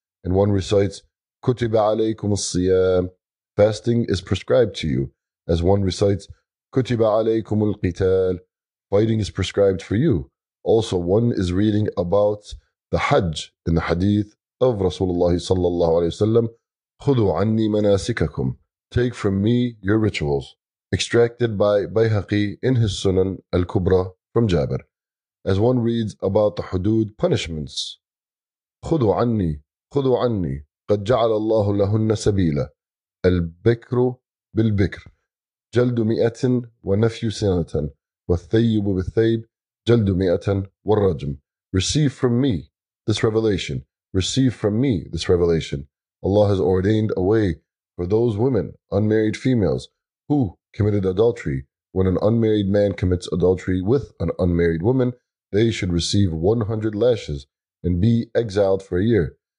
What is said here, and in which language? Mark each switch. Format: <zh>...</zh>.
<en>And one recites,</en> <ar>كُتِبَ عَلَيْكُمُ الصِّيَامِ,</ar> <en>fasting is prescribed to you, as one recites,</en> <ar>كُتِبَ عَلَيْكُمُ الْقِتَالِ,</ar> <en>fighting is prescribed for you. Also, one is reading about the Hajj in the hadith of Rasulullah sallallahu alayhi wa sallam,</en> <ar>خُذُوا عَنِّي مَنَاسِكَكُمْ,</ar> <en>take from me your rituals, extracted by Bayhaqi in his Sunan al-Kubra from Jabir. As one reads about the hudud punishments,</en> <ar>خُذُوا عَنِّي, خُذُوا عَنِّي, قَدْ جَعَلَ اللَّهُ لَهُنَّ سَبِيلًا, البكر بالبكر جلد مئة ونفي سنة والثيب بالثيب جلد مئة والرجم.</ar> <en>Receive from me this revelation, receive from me this revelation. Allah has ordained a way for those women, unmarried females, who committed adultery. When an unmarried man commits adultery with an unmarried woman, they should receive 100 lashes and be exiled for a year.</en>